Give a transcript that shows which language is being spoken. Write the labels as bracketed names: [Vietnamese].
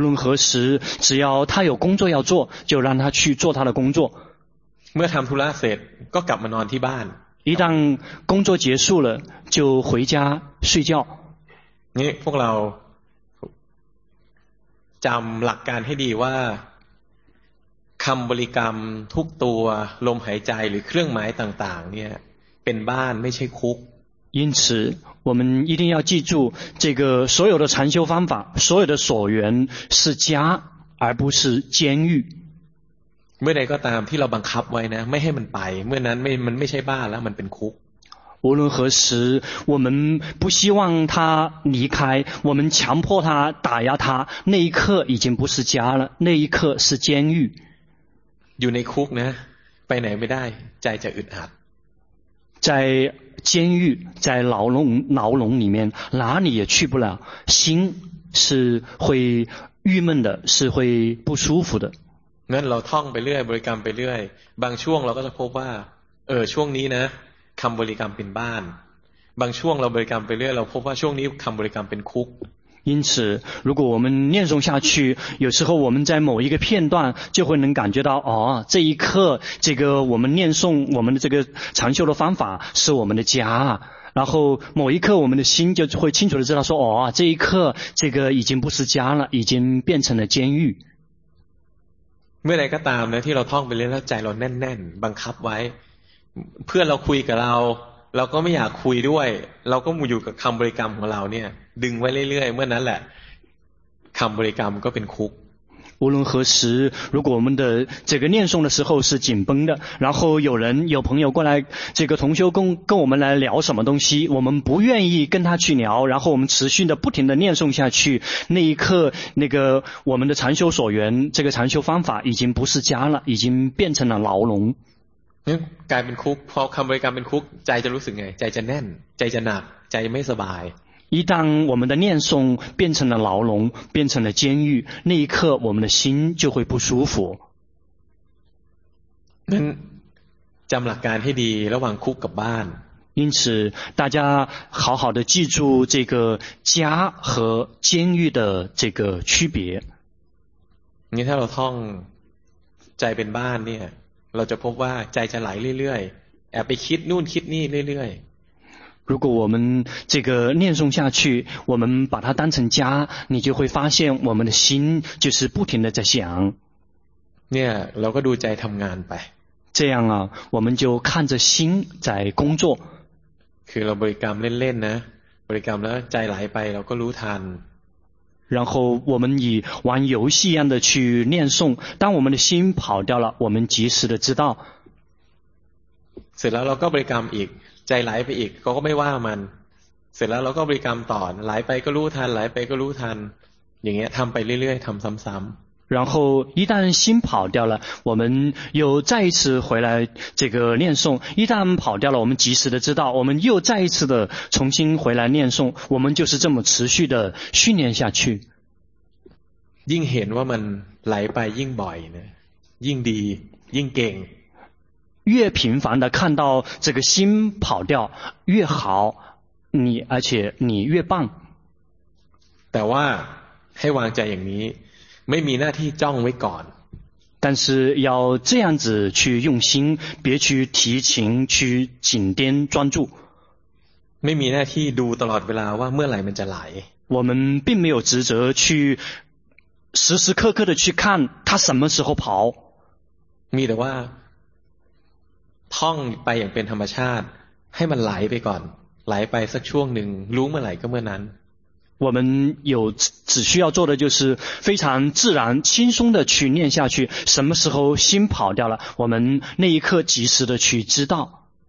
[Chinese] 论何时只要他有工作要做就让他去做他的工作一旦工作结束了就回家睡觉你 [Thai] พวกเราจำหลักการให้ดีว่าคำบริกรรมทุกตัวลมหายใจหรือเครื่องหมายต่างๆเนี่ยเป็นบ้านไม่ใช่คุก [Chinese] 因此我们一定要记住这个所有的禅修方法所有的所缘是家而不是监狱 [Thai] เมื่อใดก็ตามที่เราบังคับไว้นะไม่ให้มันไปเมื่อนั้นมันไม่ใช่บ้านแล้วมันเป็นคุก [Chinese] 无论何时我们不希望他离开我们强迫他打压他那一刻已经不是家了那一刻是监狱 [Thai] อยู่ในคุกนะไปไหนไม่ได้ใจจะอึดอัด [Chinese] 在监狱在牢笼里面哪里也去不了心是会郁闷的是会不舒服的 [Thai] งั้นเราท่องไปเรื่อยบริกรรมไปเรื่อยบางช่วงเราก็จะพบว่าช่วงนี้นะคำบริกรรมเป็นบ้านบางช่วงเราบริกรรมไปเรื่อยเราพบว่าช่วงนี้คำบริกรรมเป็นคุก [Chinese] 因此如果我们念诵下去有时候我们在某一个片段就会能感觉到哦这一刻这个我们念诵我们的这个禅修的方法是我们的家然后某一刻我们的心就会清楚地知道说哦这一刻这个已经不是家了已经变成了监狱 [Thai] เมื่อไหร่ก็ตามนะที่เราท่องไปเรื่อยแล้วใจเราแน่นๆบังคับไว้เพื่อนเราคุยกับเราก็ไม่อยากคุยด้วยเราก็อยู่กับคำบริกรรมของเราเนี่ยดึงไว้เรื่อยๆเมื่อนั้นแหละคำบริกรรมก็เป็นคุก [Chinese] 无论何时如果我们的这个念诵的时候是紧绷的然后有人有朋友过来这个同修跟我们来聊什么东西我们不愿意跟他去聊然后我们持续的不停的念诵下去那一刻那个我们的禅修所缘这个禅修方法已经不是家了已经变成了牢笼 [Thai] กลายเป็นคุกพอคำบริกรรมเป็นคุกใจจะรู้สึกไงใจจะแน่นใจจะหนักใจไม่สบาย [Chinese] 一旦我们的念诵变成了牢笼变成了监狱那一刻我们的心就会不舒服 [Thai] จำหลักการให้ดีระหว่างคุกกับบ้าน [Chinese] 因此大家好好的记住这个家和监狱的这个区别 [Thai] นี่ถ้าเราท่องใจเป็นบ้านเนี่ยเราจะพบว่าใจจะไหลเรื่อยๆแอบไปคิดนู่นคิดนี่เรื่อยๆ [Chinese] 如果我们这个念诵下去，我们把它当成家，你就会发现我们的心就是不停的在想。 [Thai] เนี่ยเราก็ดูใจทำงานไป [Chinese] 这样啊，我们就看着心在工作。 [Thai] คือเราบริกรรมเล่นๆนะบริกรรมแล้วใจไหลไปเราก็รู้ทัน [Chinese] 然后我们以玩游戏一样的去念诵，当我们的心跑掉了，我们及时的知道。 [Thai] เสร็จแล้วเราก็บริกรรมอีกใจไหลไปอีกก็ไม่ว่ามันเสร็จแล้วเราก็บริกรรมต่อไหลไปก็รู้ทันไหลไปก็รู้ทันอย่างเงี้ยทำไปเรื่อยๆทำซ้ำ [Chinese] ๆ然后一旦心跑掉了我们又再一次回来这个念诵一旦跑掉了我们及时的知道我们又再一次的重新回来念诵我们就是这么持续的训练下去 [Thai] ยิ่งเห็นว่ามันไหลไปยิ่งบ่อยนะยิ่งดียิ่งเก่ง [Chinese] 越频繁的看到这个心跑掉越好你而且你越棒 [Thai] แต่ว่าให้วางใจอย่างนี้ไม่มีหน้าที่จ้องไว้ก่อน [Chinese] 但是要这样子去用心别去提琴去紧盯专注 [Thai] ไม่มีหน้าที่ดูตลอดเวลาว่าเมื่อไหร่มันจะไหล [Chinese] 我们并没有职责去时时刻刻的去看它什么时候跑 [Thai] มีแต่ว่าท่องไปอย่างเป็นธรรมชาติให้มันไหลไปก่อนไหลไปสักช่วงหนึ่งรู้เมื่อไหร่ก็เมื่อนั้น [Chinese] 我们有只需要做的就是非常自然轻松的去念下去什么时候心跑掉了我们那一刻及时的去知道